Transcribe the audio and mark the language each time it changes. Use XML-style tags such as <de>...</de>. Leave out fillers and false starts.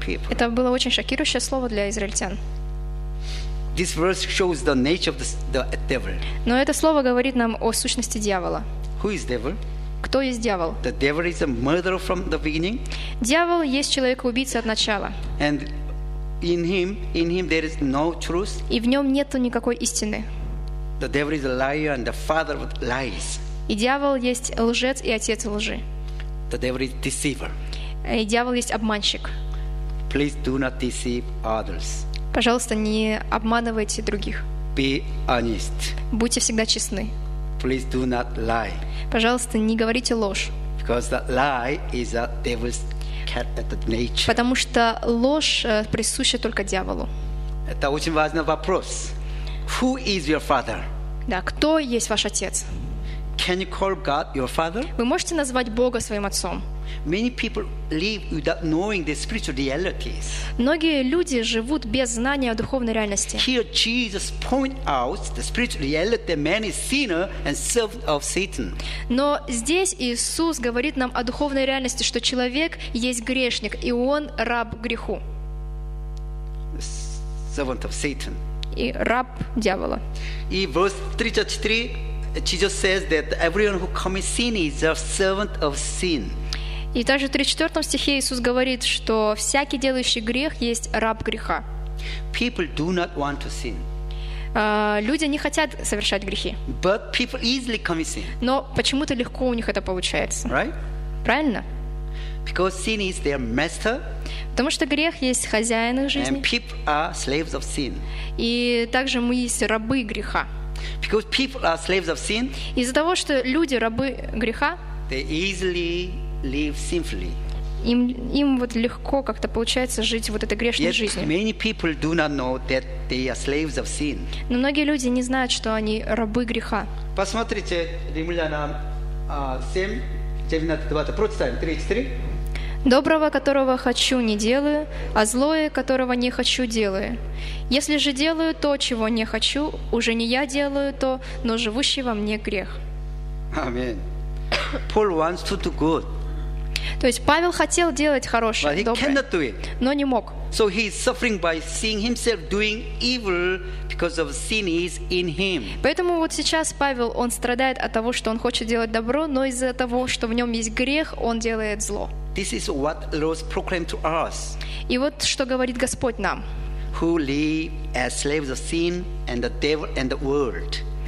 <ru>Это было очень шокирующее слово для израильтян.</ru> <en>This verse shows the nature of the devil.</en> <ru>Но это слово говорит нам о сущности дьявола.</ru> <en>Who is devil?</en> <ru>Кто есть дьявол?</ru> <en>The devil is a murderer from the beginning.</en> <ru>Дьявол есть человек-убийца от начала.</ru> <en>And in him there is no truth.</en> <ru>И в нем нету никакой истины.</ru> <en>The devil is a liar and the father of lies.</en> <ru>И дьявол есть лжец и отец лжи.</ru> <en>The devil is a deceiver.</en> <ru>И дьявол есть обманщик.</ru> <en>Please do not deceive others.</en> <ru>Пожалуйста, не обманывайте других.</ru> <en>Be honest.</en> <ru>Будьте всегда честны.</ru> <en>Please do not lie.</en> <ru>Пожалуйста, не говорите ложь.</ru> <en>Because the lie is a devil's nature.</en> <ru>Потому что ложь присуща только дьяволу. Это очень важный вопрос.</ru> <en>Who is your father?</en> <ru>Да, кто есть ваш отец?</ru> <en>Can you call God your father?</en> <ru>Вы можете назвать Бога своим отцом?</ru> <en>Many people live without knowing the spiritual realities.</en> <ru>Многие люди живут без знания о духовной реальности.</ru> <en>Here Jesus points out the spiritual reality that man is sinner and servant of Satan.</en> <ru>Но здесь Иисус говорит нам о духовной реальности, что человек есть грешник и он раб греху.</ru> <en>Servant of Satan.</en> <ru>И раб дьявола. И</ru> <en>verse 33 Jesus says that everyone who commits sin is a servant of sin.</en> <ru>И также в 34 стихе Иисус говорит, что всякий делающий грех есть раб греха.</ru> <en>People do not want to sin.</en> <ru>Люди не хотят совершать грехи.</ru> <en>But people easily commit sin.</en> <ru>Но почему-то легко у них это получается.</ru> <en>Right?</en> <ru>Правильно?</ru> <en>Because sin is their master.</en> <ru>Потому что грех есть хозяин их жизни.</ru> <en>And people are slaves of sin.</en> <ru>И также мы есть рабы греха.</ru> <en>Because people are slaves of sin.</en> <ru>Из-за того, что люди рабы греха.</ru> <en>They easily live sinfully.</en> <ru>Им вот легко как-то получается жить вот этой грешной</ru> <en>Yet</en> <ru>жизнью.</ru> <en>Many people do not know that they are slaves of sin.</en> <ru>Но многие люди не знают, что они рабы греха. Посмотрите Римлянам 7:19-20. Прочитаем 3:3. Доброго, которого хочу, не делаю, а злое, которого не хочу, делаю. Если же делаю то, чего не хочу, уже не я делаю то, но живущий во мне грех.</ru> <en>Аминь. Paul wants to do good.</en> <ru>То есть Павел хотел делать хорошее, доброе, но не мог.</ru> <en>So he is suffering by seeing himself doing evil because of sin is in him.</en> <ru>Поэтому вот сейчас Павел, он страдает от того, что он хочет делать добро, но из-за того, что в нем есть грех, он делает зло.</ru> <en>This is what Lord proclaimed to us.</en> <ru>И вот что говорит Господь нам.</ru> <en>Who live as slaves of sin and the devil and the world.</en>